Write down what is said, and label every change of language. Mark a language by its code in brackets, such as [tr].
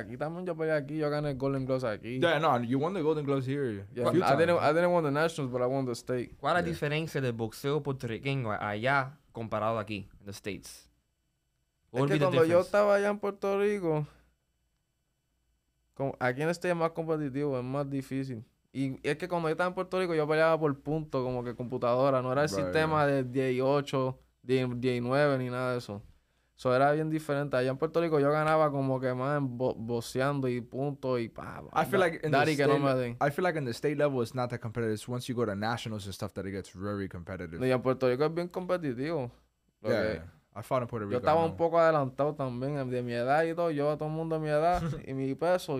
[es] Aquí también yo peleé aquí. Yo gané Golden Gloves aquí. [en] Yeah, no, you won the Golden Gloves here. Yeah, I didn't win the Nationals, but I won the state. [es] ¿Cuál es la diferencia del boxeo puertorriqueño allá comparado aquí, en [en] the States? [es] Cuando yo estaba allá en Puerto Rico, aquí en el state es más competitivo, es más difícil. Y es que cuando yo estaba en Puerto Rico, yo peleaba por punto, como que computadora. No era el sistema de 18, 19, ni nada de eso. Eso era bien diferente. Allá en Puerto Rico yo ganaba como que más en boxeando y punto y pa. [en] I feel like in the state level it's not that competitive. It's once you go to nationals and stuff that it gets very competitive. [es] Y en Puerto Rico es bien competitivo. [en] Yeah. I fought in Puerto Rico. [es] Yo estaba un poco adelantado también de mi edad y todo. Yo a todo el mundo de mi edad y mi peso.